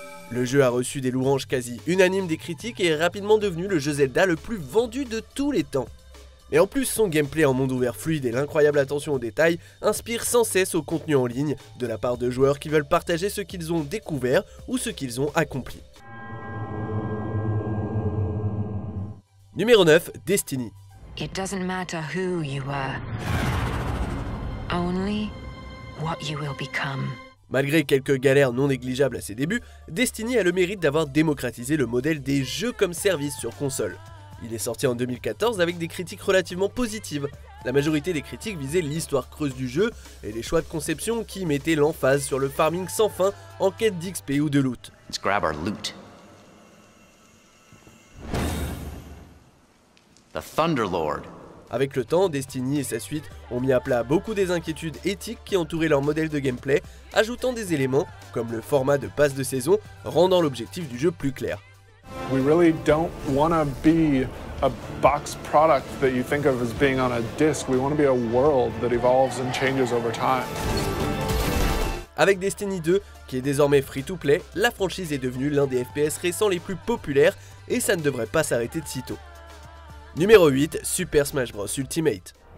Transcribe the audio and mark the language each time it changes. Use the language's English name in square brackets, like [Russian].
[French] Le jeu a reçu des louanges quasi unanimes des critiques et est rapidement devenu le jeu Zelda le plus vendu de tous les temps. Mais en plus, son gameplay en monde ouvert fluide et l'incroyable attention aux détails inspire sans cesse au contenu en ligne de la part de joueurs qui veulent partager ce qu'ils ont découvert ou ce qu'ils ont accompli. Numéro 9, Destiny. [English] It doesn't matter who you are, only what you will become. [French] Malgré quelques galères non négligeables à ses débuts, Destiny a le mérite d'avoir démocratisé le modèle des jeux comme service sur console. Il est sorti en 2014 avec des critiques relativement positives. La majorité des critiques visaient l'histoire creuse du jeu et les choix de conception qui mettaient l'emphase sur le farming sans fin en quête d'XP ou de loot. Let's grab our loot. The Thunder Lord. Avec le temps, Destiny et sa suite ont mis à plat beaucoup des inquiétudes éthiques qui entouraient leur modèle de gameplay, ajoutant des éléments comme le format de passe de saison, rendant l'objectif du jeu plus clair. [English] We really don't want to be a box product that you think of as being on a disc. We want to be a world that evolves and changes over time. [French] Avec Destiny 2, qui est désormais free-to-play, la franchise est devenue l'un des FPS récents les plus populaires et ça ne devrait pas s'arrêter de sitôt. Numéro 8, Super Smash Bros. Ultimate.